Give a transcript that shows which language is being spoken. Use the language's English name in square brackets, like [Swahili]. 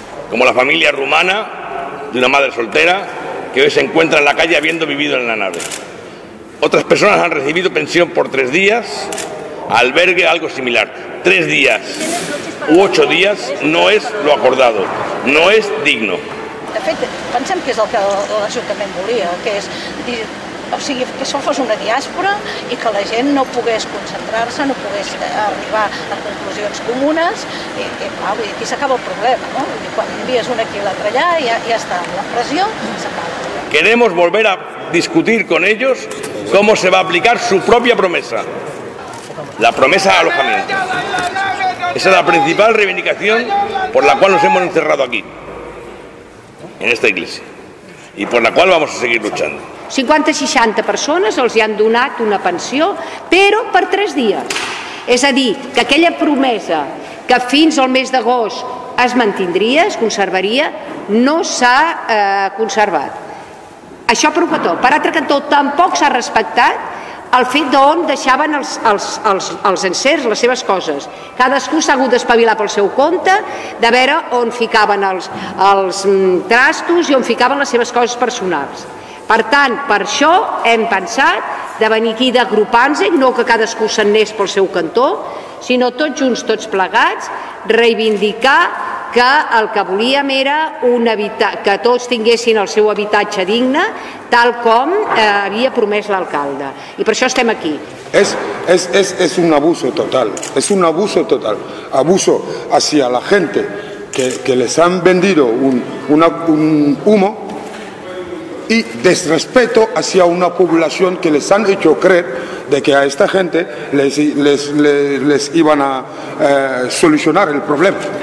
[Spanish] Como la familia rumana de una madre soltera que hoy se encuentra en la calle habiendo vivido en la nave. Otras personas han recibido pensión por 3 días, albergue, algo similar. 3 días u 8 días no es lo acordado, no es digno. [Catalan] De fet, pensem que és el que l'Ajuntament volia, que és dir... O sigui, que això fos una diàspora i que la gent no pogués concentrar-se, no pogués arribar a conclusions comunes, i clar, vull dir, aquí s'acaba el problema, no? I quan envies un aquí i l'altre allà, ja està, la pressió s'acaba. [Spanish] Queremos volver a discutir con ellos cómo se va a aplicar su propia promesa, la promesa de alojamiento. Esa es la principal reivindicación por la cual nos hemos encerrado aquí, en esta iglesia, y por la cual vamos a seguir luchando. [Catalan] 50-60 persones els hi han donat una pensió, però per 3 dies. És a dir, que aquella promesa que fins al mes d'agost es mantindria, es conservaria, no s'ha conservat. Això per un cantó. Per altre cantó, tampoc s'ha respectat el fet d'on deixaven els encerts, les seves coses. Cadascú s'ha hagut d'espavilar pel seu compte, de veure on ficaven els trastos i on ficaven les seves coses personals. Per tant, per això hem pensat de venir aquí d'agrupar-nos, no que cadascú se'n anés pel seu cantó, sinó tots junts, tots plegats, reivindicar que el que volíem era que tots tinguessin el seu habitatge digne, tal com havia promès l'alcalde. I per això estem aquí. [Spanish] És un abuso total, és un abuso total. Abuso hacia la gente que les han vendido un humo, y desrespeto hacia una población que les han hecho creer de que a esta gente les iban a solucionar el problema.